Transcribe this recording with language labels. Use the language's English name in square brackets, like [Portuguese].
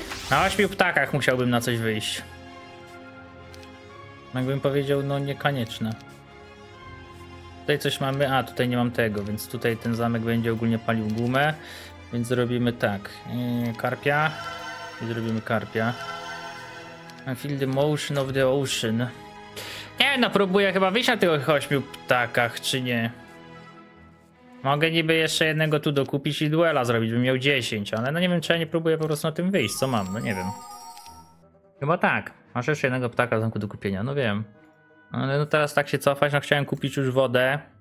[Polish] Na 8 ptakach musiałbym na coś wyjść. Jakbym powiedział, no niekonieczne. Tutaj coś mamy, a tutaj nie mam tego, więc tutaj ten zamek będzie ogólnie palił gumę. Więc zrobimy tak, karpia. I zrobimy karpia. [English] I feel the motion of the ocean. [Polish] Nie no, próbuję chyba wyjść na tych 8 ptakach, czy nie? Mogę niby jeszcze jednego tu dokupić i duela zrobić, bym miał 10, ale no nie wiem, czy ja nie próbuję po prostu na tym wyjść, co mam, no nie wiem. Chyba tak, masz jeszcze jednego ptaka w zamku do kupienia, no wiem. Ale no teraz tak się cofać, no chciałem kupić już wodę.